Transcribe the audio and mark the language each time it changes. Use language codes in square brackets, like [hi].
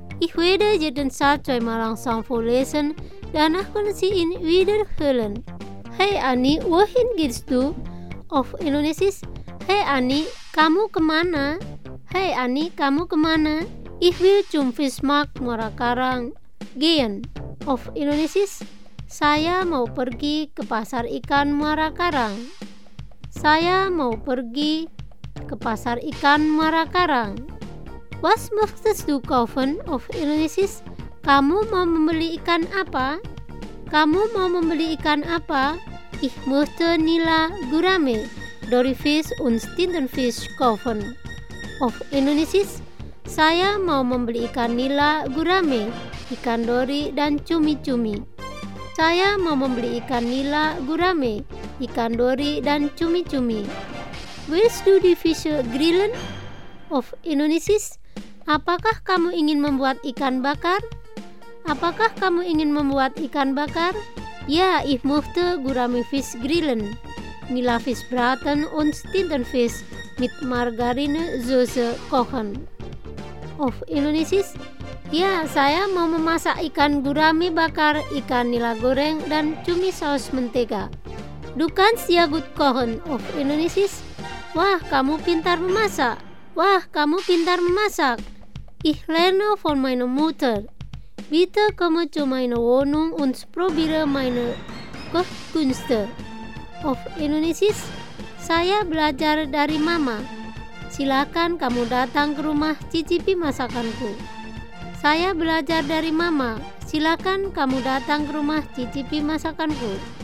[de] Ich werde jeden Satz zweimal langsam vorlesen, danach können Sie ihn wiederhören. Hey Annie, wohin gehst du? Auf Indonesisch. [id] Hey Annie, kamu kemana? Hey Annie, kamu kemana? [de] Ich will zum Fischmarkt Muara Karang gehen. Auf Indonesisch. [id] Saya mau pergi ke pasar ikan Muara Karang. Saya mau pergi ke pasar ikan Muara Karang. [de] Was möchtest du kaufen? Auf Indonesisch. [id] Kamu mau membeli ikan apa? Kamu mau membeli ikan apa? [de] Ich möchte Nila Gurame, Dory Fish und Tintenfisch kaufen. Auf Indonesisch. [id] Saya mau membeli ikan nila gurame, ikan dori dan cumi-cumi. Saya mau membeli ikan nila gurame, ikan dori dan cumi-cumi. [de] Willst du die Fische grillen? Auf Indonesisch. [id] Apakah kamu ingin membuat ikan bakar? Apakah kamu ingin membuat ikan bakar? [de] Ja, ich möchte gurame Fisch grillen. Nila Fisch braten und Tintenfisch mit Margarine Soße kochen. Auf Indonesisch. [id] Ja, saya mau memasak ikan gurame bakar, ikan nila goreng dan cumi saus mentega. [de] Du kannst ja gut kochen. Auf Indonesisch. [id] Wah, kamu pintar memasak. Wah, kamu pintar memasak. [de] Ich lerne von meiner Mutter. Bitte komme zu meiner Wohnung und probiere meine Kochkünste. Auf Indonesisch. [id] Saya belajar dari Mama. Silakan kamu datang ke rumah cicipi masakanku. Saya belajar dari Mama. Silakan kamu datang ke rumah cicipi masakanku.